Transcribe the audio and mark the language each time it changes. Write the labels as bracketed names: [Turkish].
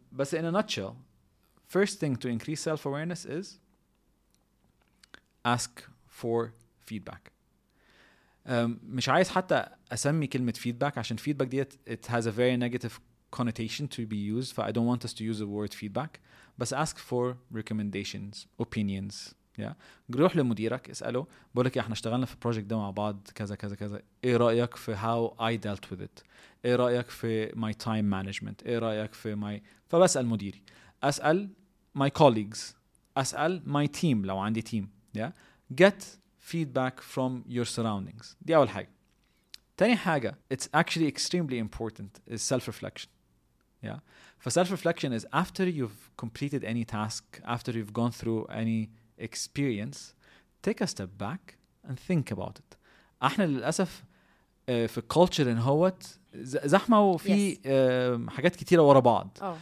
[English] But in a nutshell, first thing to increase self-awareness is ask for feedback. [Arabic] مش عايز حتى أسمي كلمة feedback عشان feedback ديت [English] it has a very negative connotation to be used. I don't want us to use the word feedback. But ask for recommendations, opinions. Yeah. [Arabic] روح لمديرك اسأله بقولك احنا اشتغلنا في project ده مع بعض كذا كذا كذا, ايه رأيك في [English] how I dealt with it, [Arabic] ايه رأيك في [English] my time management, [Arabic] ايه رأيك في my, فبسأل مديري, اسأل my colleagues, اسأل my team لو عندي team. [English] Yeah. Get feedback from your surroundings, [Arabic] دي اول حاجة. تاني حاجة, [English] it's actually extremely important, is self-reflection. Yeah. For self-reflection is after you've completed any task, after you've gone through any experience, take a step back and think about it. [Arabic] احنا للأسف في culture ان هوت زحمة وفي حاجات كتيرة ورا بعض.